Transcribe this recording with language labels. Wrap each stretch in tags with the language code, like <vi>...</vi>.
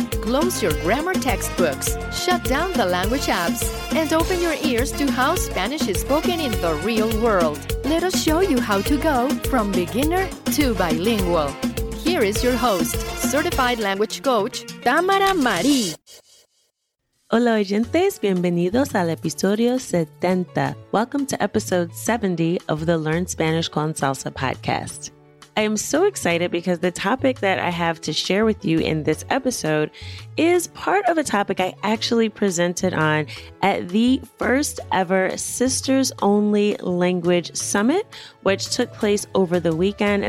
<en>Close your grammar textbooks, shut down the language apps, and open your ears to how Spanish is spoken in the real world. Let us show you how to go from beginner to bilingual. Here is your host, certified language coach, Tamara Marie.</en> <es>Hola oyentes, bienvenidos al episodio 70.</es> <en>Welcome to episode 70 of the Learn Spanish con Salsa podcast. I am so excited because the topic that I have to share with you in this episode is part of a topic I actually presented on at the first ever Sisters Only Language Summit, which took place over the weekend.</en>